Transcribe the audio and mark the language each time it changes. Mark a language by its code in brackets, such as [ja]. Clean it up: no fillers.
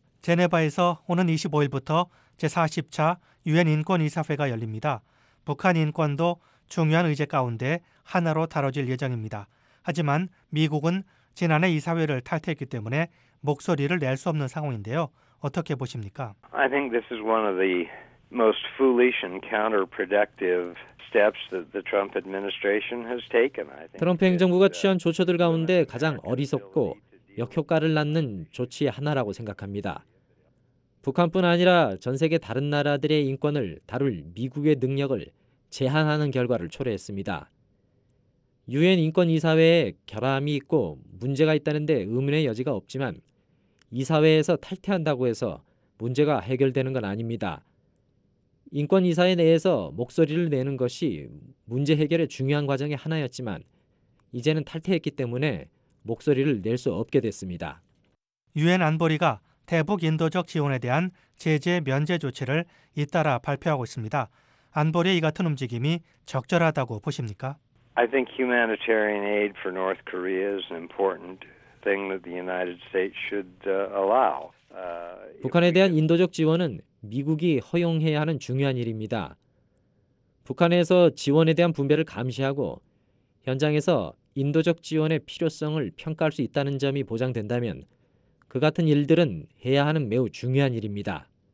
[ko] 제네바에서 오는 25일부터 제40차 유엔 인권이사회가 열립니다. 북한 인권도 중요한 의제 가운데 하나로 다뤄질 예정입니다. 하지만 미국은 지난해 이사회를 탈퇴했기 때문에 목소리를 낼 수 없는 상황인데요. 어떻게 보십니까? [en] I think this is one of the most foolish and counterproductive steps that the Trump administration has taken. [ko] 트럼프 행정부가 취한 조처들 가운데 가장 어리석고 역효과를 낳는 조치의 하나라고 생각합니다. 북한뿐 아니라 전 세계 다른 나라들의 인권을 다룰 미국의 능력을 제한하는 결과를 초래했습니다. 유엔 인권이사회에 결함이 있고 문제가 있다는데 의문의 여지가 없지만 이사회에서 탈퇴한다고 해서 문제가 해결되는 건 아닙니다. 인권이사회 내에서 목소리를 내는 것이 문제 해결의 중요한 과정의 하나였지만 이제는 탈퇴했기 때문에 목소리를 낼 수 없게 됐습니다. 유엔 안보리가 대북 인도적 지원에 대한 제재 면제 조치를 잇따라 발표하고 있습니다. 안보리의 이 같은 움직임이 적절하다고 보십니까? [en] I think humanitarian aid for North Korea is an important thing that the United States should allow. [ko] 북한에 대한 인도적 지원은 미국이 허용해야 하는 중요한 일입니다. 북한에서 지원에 대한 분배를 감시하고 현장에서 인도적 지원의 필요성을 평가할 수 있다는 점이 보장된다면 그 같은 일들은 해야 하는 매우 중요한 일입니다.